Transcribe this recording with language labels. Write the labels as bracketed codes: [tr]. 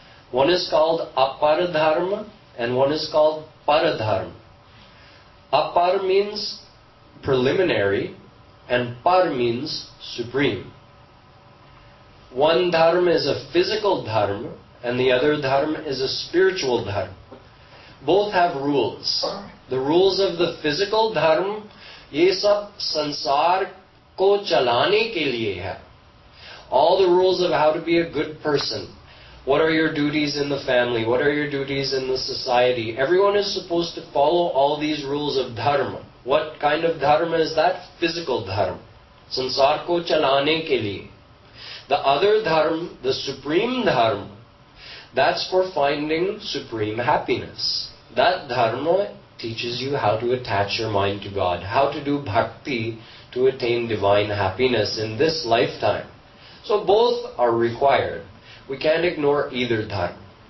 [en] One is called Aparadharma and one is called Paradharma. Apar means preliminary and Par means supreme. One dharma is a physical dharma and the other dharma is a spiritual dharma. Both have rules. The rules of the physical dharma, [hi] ये सब संसार को चलाने के लिए है। [en] All the rules of how to be a good person. What are your duties in the family? What are your duties in the society? Everyone is supposed to follow all these rules of dharma. What kind of dharma is that? Physical dharma. [hi] संसार को चलाने के लिए। [en] The other dharma, the supreme dharma, that's for finding supreme happiness. That dharma teaches you how to attach your mind to God, how to do bhakti to attain divine happiness in this lifetime. So both are required. We can't ignore either dharma.